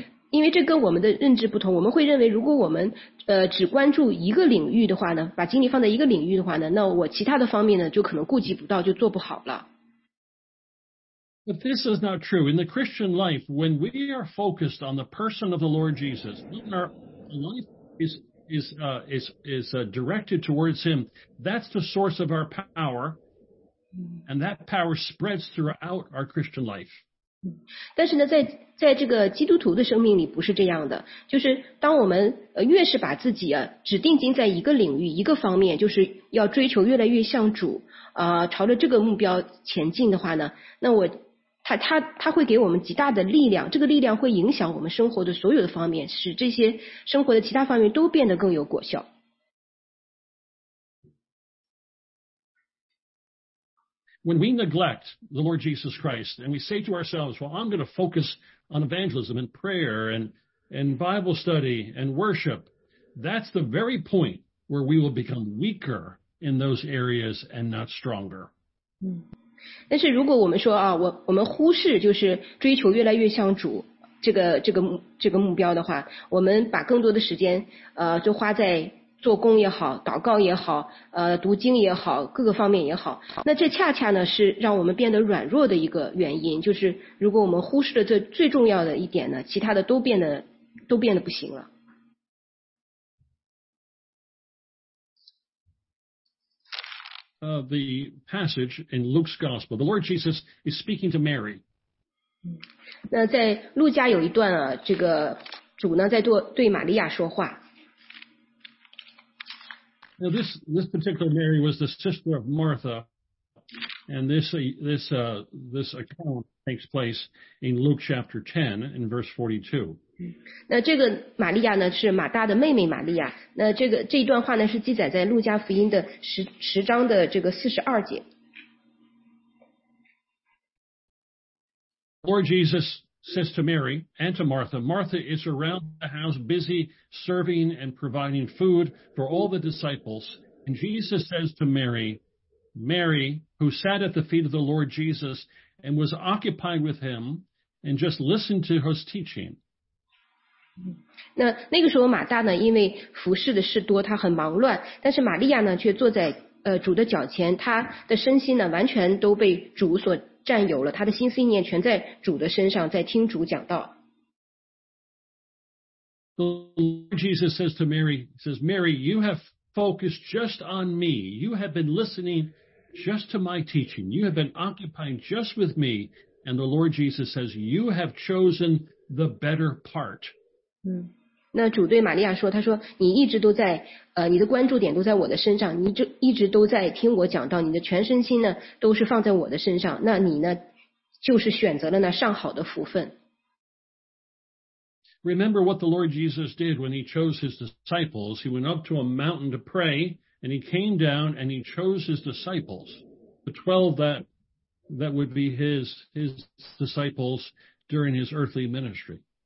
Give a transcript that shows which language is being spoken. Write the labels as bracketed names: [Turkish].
[Chinese] 因为这跟我们的认知不同，我们会认为如果我们只关注一个领域的话呢，把精力放在一个领域的话呢，那我其他的方面呢就可能顾及不到，就做不好了。 [English] But this is not true. In the Christian life, when we are focused on the person of the Lord Jesus, when our life is directed towards him, that's the source of our power, and that power spreads throughout our Christian life. [Chinese] 但是呢在这个基督徒的生命里不是这样的，就是当我们越是把自己只定睛在一个领域一个方面，就是要追求越来越像主朝着这个目标前进的话呢，那我他会给我们极大的力量，这个力量会影响我们生活的所有的方面，使这些生活的其他方面都变得更有果效。 [English] When we neglect the Lord Jesus Christ and we say to ourselves, well, I'm going to focus on evangelism and prayer and Bible study and worship, that's the very point where we will become weaker in those areas and not stronger. [Chinese] 但是如果我们说我们忽视就是追求越来越像主这个目标的话，我们把更多的时间就花在做工也好，祷告也好，读经也好，各个方面也好，那这恰恰呢是让我们变得软弱的一个原因。就是如果我们忽视了这最重要的一点呢，其他的都变得不行了。 [English] The passage in Luke's Gospel, the Lord Jesus is speaking to Mary. [Chinese] 那在路加有一段这个主呢在对玛利亚说话。 [English] Now this particular Mary was the sister of Martha, and this account takes place in Luke chapter 10 in verse 42. [Chinese] 那这个玛利亚呢是马大的妹妹玛利亚，那这一段话呢是记载在路加福音的十章的这个42节。 [English] Lord Jesus says to Mary and to Martha, Martha is around the house busy serving and providing food for all the disciples. And Jesus says to Mary, Mary, who sat at the feet of the Lord Jesus and was occupied with him and just listened to his teaching. [Chinese] 那个时候马大呢因为服侍的事多他很忙乱，但是玛利亚呢却坐在主的脚前，他的身心呢完全都被主所占有了，他的心思意念全在主的身上，在听主讲道。 [English] The Lord Jesus says to Mary, says, Mary, you have focused just on me. You have been listening just to my teaching. You have been occupying just with me. And the Lord Jesus says, you have chosen the better part. [Chinese] 那主对玛利亚说，他说你一直都在，你的关注点都在我的身上，你就一直都在听我讲道，你的全身心呢都是放在我的身上。那你呢，就是选择了那上好的福分。 [English] Remember what the Lord Jesus did when he chose his disciples. He went up to a mountain to pray, and he came down and he chose his disciples, the 12 that would be his disciples during his earthly ministry.